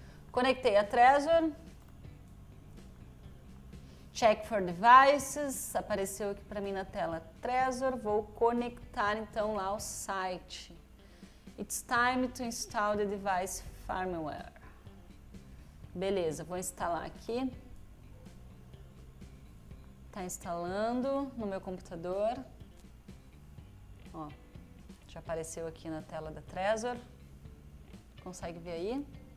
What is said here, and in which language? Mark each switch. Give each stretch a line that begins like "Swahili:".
Portuguese: Conectei a Trezor.
English: Check for devices,
Portuguese: apareceu aqui para mim na tela Trezor. Vou conectar então lá o site.
English: It's time to install the device firmware.
Portuguese: Beleza, vou instalar aqui. Tá instalando no meu computador. Ó, já apareceu aqui na tela da Trezor. Consegue ver aí?